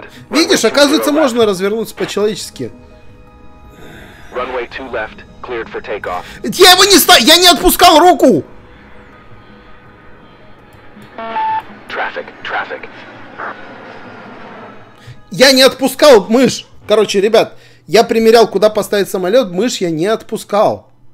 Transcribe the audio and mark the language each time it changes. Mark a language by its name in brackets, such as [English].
[Russian] Видишь, оказывается, можно развернуться по-человечески. [English] Runway 2 left, cleared for takeoff. [Russian] Я его не ставил, я не отпускал руку! [English] Traffic, traffic. [Russian] Я не отпускал мышь! Короче, ребят, я примерял, куда поставить самолет, мышь я не отпускал.